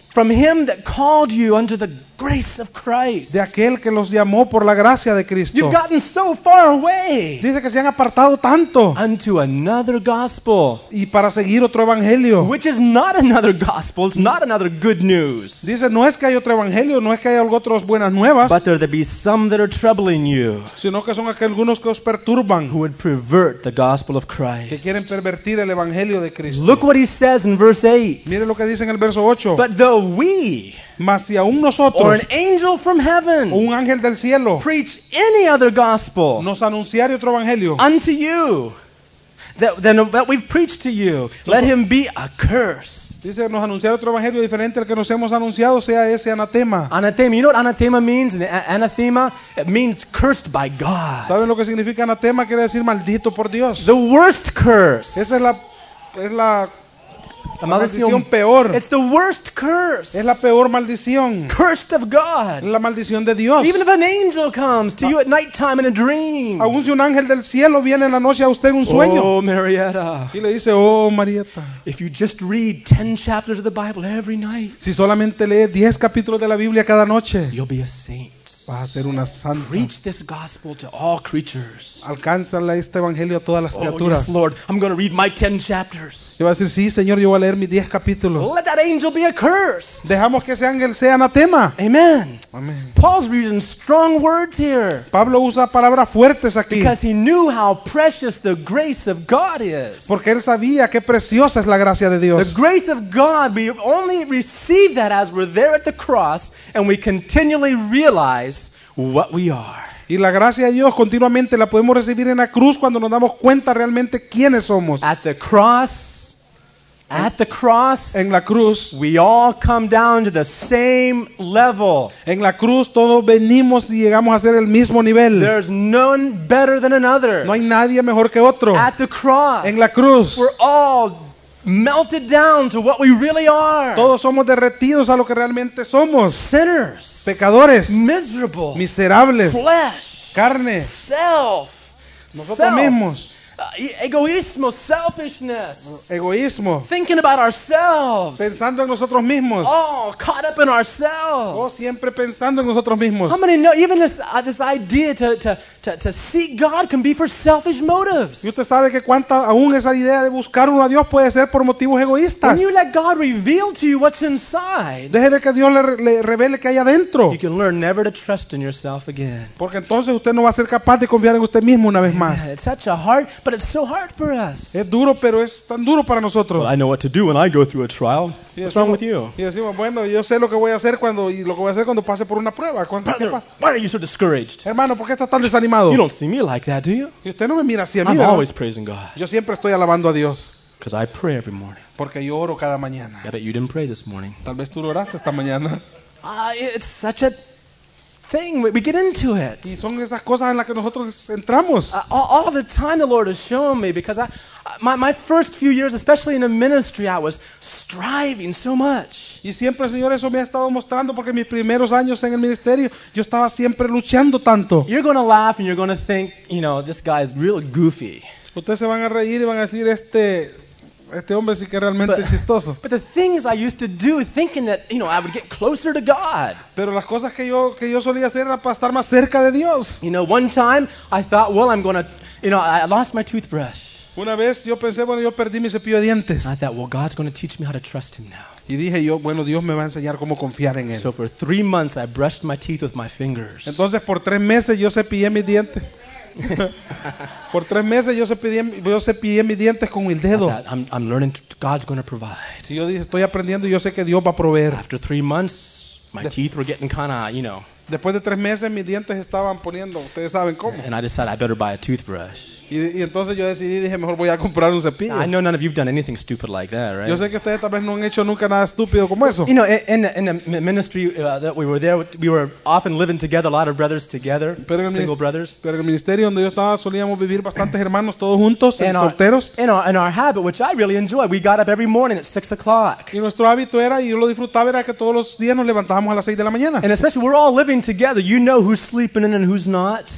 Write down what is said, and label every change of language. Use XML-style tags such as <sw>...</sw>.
<en>From him that called you unto the grace of Christ.</en> <es>De aquel que los llamó por la gracia de Cristo.</es> <en>You've gotten so far away.</en> <es>Dice que se han apartado tanto.</es> <en>Unto another gospel.</en> <es>Y para seguir otro evangelio.</es> <en>Which is not another gospel, it's not another good news.</en> <es>Dice, no es que hay otro evangelio, no es que hay otras buenas nuevas.</es> <en>But there be some that are troubling you.</en> <es>Sino que son algunos que os perturban.</es> <en>Who would pervert the gospel of Christ.</en> <es>Que quieren pervertir el evangelio de Cristo.</es> <en>Look what he says in verse 8.</en> <es>Mire lo que dice en el verso 8.</es> <en>But though we.</en> <es>Mas si aún nosotros,</es> <en>or an angel from heaven,</en> <es>o un ángel del cielo,</es> <en>preach any other gospel,</en> <es>nos anunciare otro evangelio,</es> <en>unto you, that we've preached to you, let him be accursed.</en> <es>Dice, nos anunciare otro evangelio diferente al que nos hemos anunciado, sea ese anatema.</es> <en>Anatema, you know what anatema means? Anathema, it means cursed by God.</en> <es>¿Saben lo que significa anatema? Quiere decir maldito por Dios.</es> <en>The worst curse.</en> <es>Esa es la la maldición peor.</es> <en>It's the worst curse.</en> <es>Es la peor maldición.</es> <en>Cursed of God.</en> <es>La maldición de Dios.</es> <en>Even if an angel comes to you at night time in a dream.</en> <es>Aún si un ángel del cielo viene en la noche a usted en un sueño.</es> <en>Oh, Marietta.</en> <es>Y le dice, oh, Marietta.</es> <en>If you just read 10 chapters of the Bible every night.</en> <es>Si solamente lee 10 capítulos de la Biblia cada noche.</es> <en>You'll be a saint.</en> <es>Va a ser una santa.</es> <en>Preach this gospel to all creatures.</en> <es>Alcánzale este evangelio a todas las criaturas.</es> <en>Oh, yes, Lord, I'm going to read my 10 chapters.</en> <es>Yo voy a decir, sí, Señor, yo voy a leer mis 10 capítulos.</es> <en>Let that angel be accursed.</en> <es>Dejamos que ese ángel sea anatema.</es> <en>Amen.</en> <es>Amen.</es> <en>Paul's using strong words here.</en> <es>Pablo usa palabras fuertes aquí.</es> <en>Because he knew how precious the grace of God is.</en> <es>Porque él sabía qué preciosa es la gracia de Dios.</es> <en>The grace of God, we only receive that as we're there at the cross and we continually realize what we are.</en> <es>Y la gracia de Dios continuamente la podemos recibir en la cruz cuando nos damos cuenta realmente quiénes somos.</es> <en>At the cross. At the cross,</en> <es>en la cruz,</es> <en>we all come down to the same level.</en> <es>En la cruz, todos venimos y llegamos a ser el mismo nivel.</es> <en>There's none better than another.</en> <es>No hay nadie mejor que otro.</es> <en>At the cross,</en> <es>en la cruz,</es> <en>we're all melted down to what we really are.</en> <es>Todos somos derretidos a lo que realmente somos.</es> <en>Sinners.</en> <es>Pecadores.</es> <en>Miserable.</en> <es>Miserables.</es> <en>Flesh.</en> <es>Carne.</es> <en>Self.</en> <es>Nosotros</es> <en>self.</en> <es>Mismos. Egoísmo,</es> <en>selfishness.</en> <es>Egoísmo.</es> <en>Thinking about ourselves.</en> <es>Pensando en nosotros mismos.</es> <en>Oh, caught up in ourselves.</en> <es>Oh, siempre pensando en nosotros mismos.</es> <en>How many know even this idea to seek God can be for selfish motives?</en> <es>¿Y usted sabe que cuánta aún esa idea de buscar uno a Dios puede ser por motivos egoístas?</es> <en>When you let God reveal to you what's inside.</en> <es>Déjele que Dios le revele qué hay adentro.</es> <en>You can learn never to trust in yourself again.</en> <es>Porque entonces usted no va a ser capaz de confiar en usted mismo una vez más.</es> <en>It's such a hard. But it's so hard for us.</en> <es>Es duro, pero es tan duro para nosotros.</es> <en>Well, I know what to do when I go through a trial. What's wrong with you?</en> <es>Y decimos, bueno, yo sé lo que voy a hacer cuando y lo que voy a hacer cuando pase por una prueba.</es> <en>Why are you so discouraged?</en> <es>Hermano, ¿por qué estás tan desanimado?</es> <en>You don't see me like that, do you?</en> <es>Y usted no me mira así a mí.</es> <en>I'm</en> <es>¿verdad?</es> <en>Always praising God.</en> <es>Yo siempre estoy alabando a Dios.</es> <en>Because I pray every morning.</en> <es>Porque yo oro cada mañana.</es> <en>I bet you didn't pray this morning.</en> <es>Tal vez tú no oraste esta mañana.</es> <en>It's such a thing we get into it.</en> <es>Y son esas cosas en las que nosotros entramos.</es> <en>All the time the Lord has shown me because my first few years, especially in a ministry, I was striving so much.</en> <es>Y siempre, Señor, eso me ha estado mostrando porque mis primeros años en el ministerio yo estaba siempre luchando tanto.</es> <en>You're going to laugh and you're going to think, you know, this guy is really goofy.</en> <es>Ustedes se van a reír y van a decir este hombre sí que realmente es chistoso.</es> <en>But the things I used to do thinking that, you know, I would get closer to God.</en> <es>Pero las cosas que yo solía hacer era para estar más cerca de Dios.</es> <en>You know, one time I thought, well, I'm going to, you know, I lost my toothbrush.</en> <es>Una vez yo pensé, bueno, yo perdí mi cepillo de dientes.</es> <en>And I thought, well, God's going to teach me how to trust him now.</en> <es>Y dije yo, bueno, Dios me va a enseñar cómo confiar en él.</es> <en>So for 3 months I brushed my teeth with my fingers.</en> <es>Entonces por 3 meses yo cepillé mis dientes. Por 3 meses yo cepillé mis dientes con el dedo.</es> <en>I'm learning God's going to provide.</en> <es>Y yo dije, estoy aprendiendo y yo sé que Dios va a proveer.</es> <en>After 3 months, my teeth were getting kind of, you know.</en> <es>Después de 3 meses mis dientes estaban poniendo, ustedes saben cómo.</es> <en>And I decided I better buy a toothbrush.</en> <es>Y entonces yo decidí, dije, mejor voy a comprar un cepillo.</es> <en>I know none of you've done anything stupid like that, right?</en> <es>Yo sé que ustedes tal vez no han hecho nunca nada estúpido como eso.</es> <en>You know, in the ministry that we were there, we were often living together, a lot of brothers together, single brothers.</en> <es>Pero en el ministerio donde yo estaba solíamos vivir bastantes hermanos todos juntos, solteros.</es> <en>In our habit, which I really enjoy, we got up every morning at 6:00.</en> <es>Y nuestro hábito era, y yo lo disfrutaba, era que todos los días nos levantábamos a las 6:00 a.m.</es> <en>And especially we're all living together, you know who's sleeping in and who's not.</en>